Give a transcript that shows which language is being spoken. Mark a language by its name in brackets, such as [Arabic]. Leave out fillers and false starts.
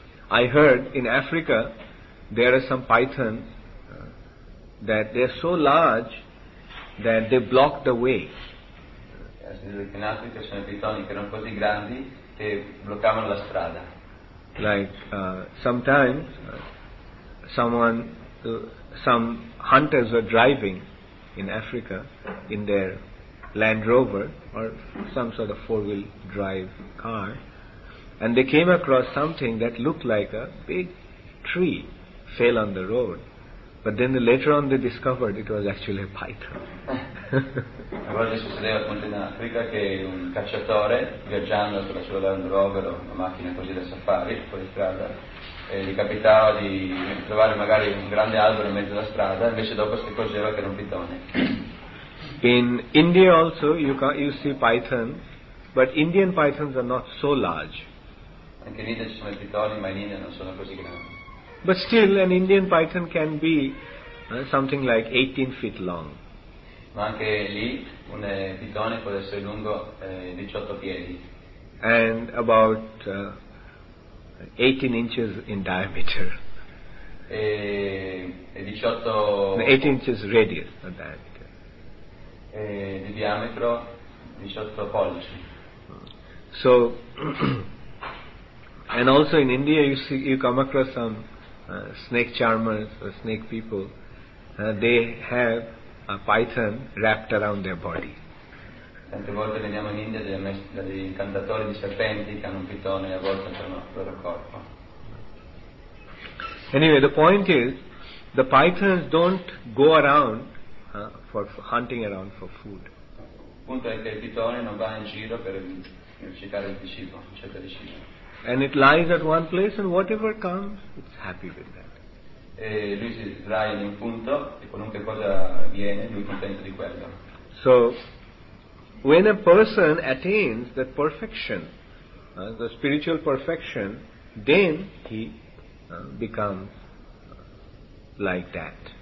[English] I heard in Africa there are some pythons that they are so large that they block the way. [Italian] In Africa sono pitoni che erano così grandi che bloccavano la strada. [English] Like sometimes some hunters were driving in Africa in their Land Rover or some sort of four-wheel drive car, and they came across something that looked like a big tree fell on the road. But then later on they discovered it was actually a python. [Italian] A volte succedeva appunto in Africa che un cacciatore, viaggiando sulla sua Land Rover o una macchina così da safari, fuori strada, gli capitava di trovare magari un grande albero in mezzo alla strada, invece dopo si accorgeva che era un pitone. [English] In India also you see pythons, but Indian pythons are not so large. [Italian] Anche in India ci sono i pitoni, ma in India non sono così grandi. [English] But still, an Indian python can be something like 18 feet long. [Italian] Ma anche lì, un pitone può essere lungo 18 piedi. [English] And about 18 inches in diameter. [Italian] E 18. [English] 18 inches radius, not diameter. [Italian] E di diametro 18 pollici. [English] So, and also in India, you come across some snake charmers or snake people, they have a python wrapped around their body. [Italian] Tante volte veniamo in India dagli incantatori di serpenti che hanno un pitone a volte intorno al loro corpo. [English] Anyway, the point is, the pythons don't go around for hunting around for food. [Italian] Il punto è che il pitone non va in giro per cercare il cibo, cerca di cibo. [English] And it lies at one place, and whatever comes, it's happy with that. [Italian] E lui si sdraia in un punto e qualunque cosa viene, lui è contento di quello. [English] So, when a person attains that perfection, the spiritual perfection, then he becomes like that.